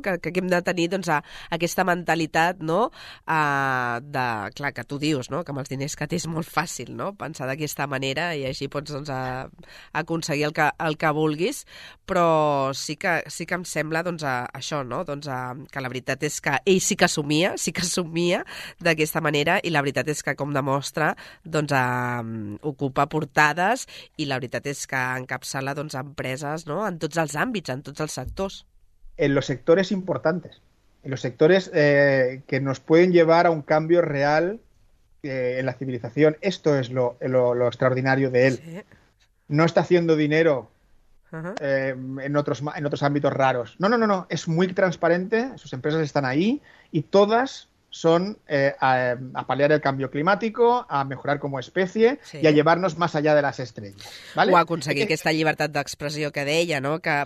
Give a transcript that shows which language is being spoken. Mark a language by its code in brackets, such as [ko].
[ca] Que hem de tenir aquesta mentalitat, no? Clar, que tu dius, no?, que amb els diners que té és molt fàcil, no?, pensar d'aquesta manera i així pots aconseguir el que vulguis, però sí que em sembla això, no? Que la veritat és que ell sí que assumia d'aquesta manera, i la veritat és que, com demostra, ocupa portades, i la veritat és que encapçala empreses, ¿no?, en tots els àmbits, en tots els sectors. [es] En los sectores importantes, en los sectores que nos pueden llevar a un cambio real en la civilización. Esto es lo extraordinario de él. Sí. No está haciendo dinero en otros ámbitos raros. No, es muy transparente, sus empresas están ahí y todas son a paliar el cambio climático, a mejorar como especie y a llevarnos más allá de las estrellas, ¿vale? [ca] O aconseguir aquesta llibertat d'expressió que deia, no?